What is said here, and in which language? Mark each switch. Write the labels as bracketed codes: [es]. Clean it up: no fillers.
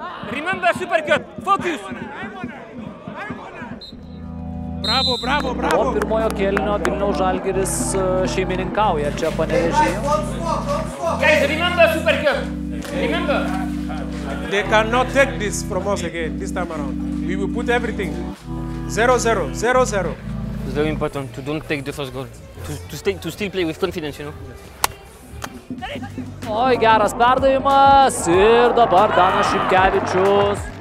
[en] Remember Supercut, focus! Bravo. [lt] Po pirmojo kėlinio Vilniaus Žalgiris šeimininkauja čia Panevėžyje. [en] Guys, remember Supercut, remember! They cannot take this from us again, this time around. We will put everything. 0-0. It's very important to don't take the first goal. To still play with confidence, you know? [lt] Oi, geras perdavimas ir dabar Danas Šimkevičius.